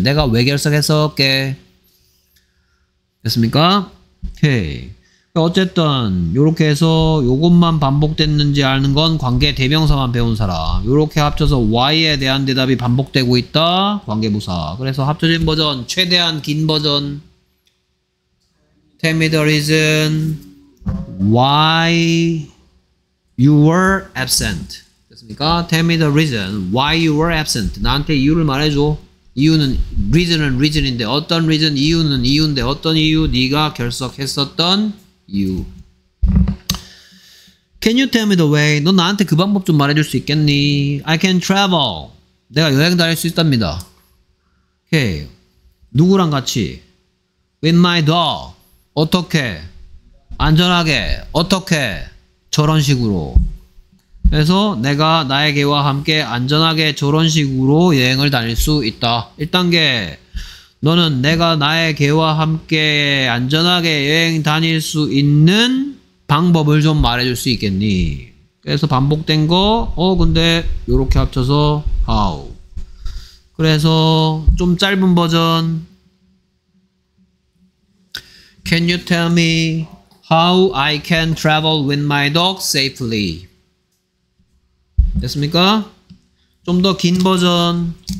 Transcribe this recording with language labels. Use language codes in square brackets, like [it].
[ko] 내가 왜 결석했었게? 됐습니까? 오케이. 어쨌든 요렇게 해서 요것만 반복됐는지 아는 건 관계 대명사만 배운 사람. 요렇게 합쳐서 why에 대한 대답이 반복되고 있다. 관계부사. 그래서 합쳐진 버전, 최대한 긴 버전. [en] Tell me the reason why you were absent. [ko] 됐습니까? [en] Tell me the reason why you were absent. [ko] 나한테 이유를 말해줘. 이유는 reason은 reason인데 어떤 reason, 이유는 이유인데 어떤 이유, 네가 결석했었던 이유. [en] Can you tell me the way? [ko] 너 나한테 그 방법 좀 말해줄 수 있겠니? [en] I can travel. [ko] 내가 여행 다닐 수 있답니다. Okay. 누구랑 같이? [en] With my dog. [ko] 어떻게? 안전하게? 어떻게? 저런 식으로. 그래서 내가 나의 개와 함께 안전하게 저런 식으로 여행을 다닐 수 있다. 1단계, 너는 내가 나의 개와 함께 안전하게 여행 다닐 수 있는 방법을 좀 말해줄 수 있겠니? 그래서 반복된 거, 근데 요렇게 합쳐서 how. 그래서 좀 짧은 버전, [en] Can you tell me how I can travel with my dog safely? [ko] 됐습니까? 좀 더 긴 버전.